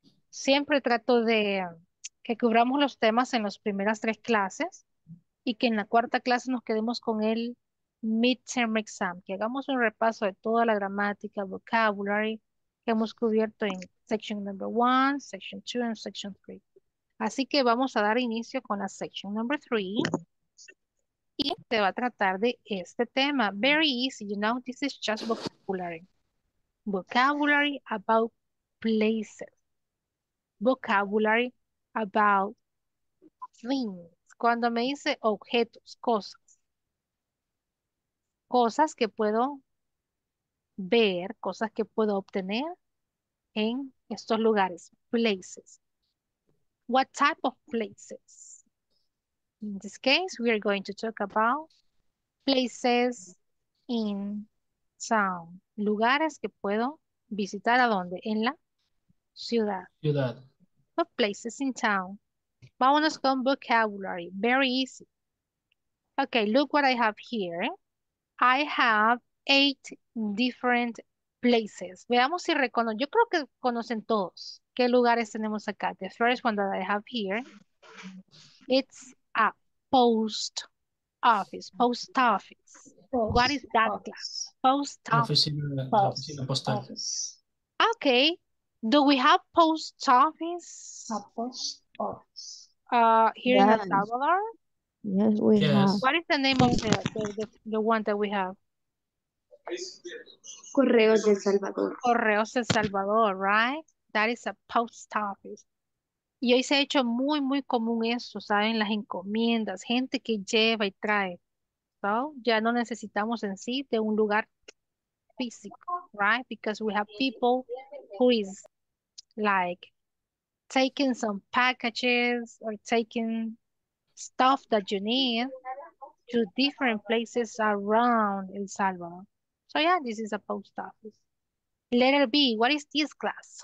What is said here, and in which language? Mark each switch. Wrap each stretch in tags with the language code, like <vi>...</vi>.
<es>Siempre trato de que cubramos los temas en las primeras tres clases y que en la cuarta clase nos quedemos con el midterm exam, que hagamos un repaso de toda la gramática, vocabulary que hemos cubierto en section number 1,</es> <en>section 2, and section 3.</en> <es>Así que vamos a dar inicio con la section number 3. Y se va a tratar de este tema.</es> <en>Very easy, you know, this is just vocabulary. Vocabulary about places. Vocabulary about things.</en> <es>Cuando me dice objetos, cosas. Cosas que puedo ver, cosas que puedo obtener en estos lugares.</es> <en>Places. What type of places? In this case, we are going to talk about places in town.</en> <es>Lugares que puedo visitar, ¿a dónde? En la ciudad. Ciudad.</es> <en>But places in town.</en> <es>Vámonos con vocabulary.</es> <en>Very easy. Okay, look what I have here. I have 8 different places.</en> <es>Veamos si reconozco. Yo creo que conocen todos qué lugares tenemos acá.</es> <en>The first one that I have here, it's a post office, post office. Post. What is that office. Class? Post office.</en> <es>Oficina postal. Office.</es> <en>Okay. Do we have post office? A post office. Here yes. In El Salvador? Yes, we yes. Have. What is the name of the one that we have?</en> <es>Correos de Salvador.</es> <en>Correos de Salvador, right? That is a post office.</en> <es>Y hoy se ha hecho muy, muy común eso, ¿saben? Las encomiendas, gente que lleva y trae. So, ya no necesitamos en sí de un lugar físico, right?</es> <en>Because we have people who is like taking some packages or taking stuff that you need to different places around El Salvador. So, yeah, this is a post office. Letter B, what is this class?</en>